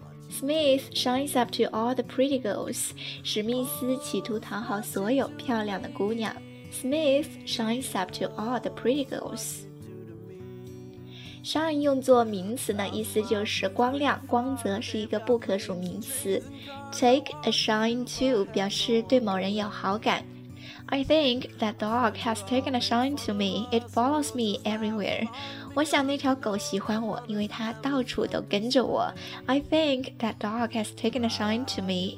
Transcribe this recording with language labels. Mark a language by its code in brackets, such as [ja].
[en] Smith shines up to all the pretty girls. [zh] 史密斯企图讨好所有漂亮的姑娘。 [en] Smith shines up to all the pretty girls. [zh] Shine 用作名词呢，意思就是光亮、光泽，是一个不可数名词。 [en] Take a shine to [zh] 表示对某人有好感。 [en] I think that dog has taken a shine to me. It follows me everywhere. [zh] 我想那条狗喜欢我，因为它到处都跟着我。 [en] I think that dog has taken a shine to me.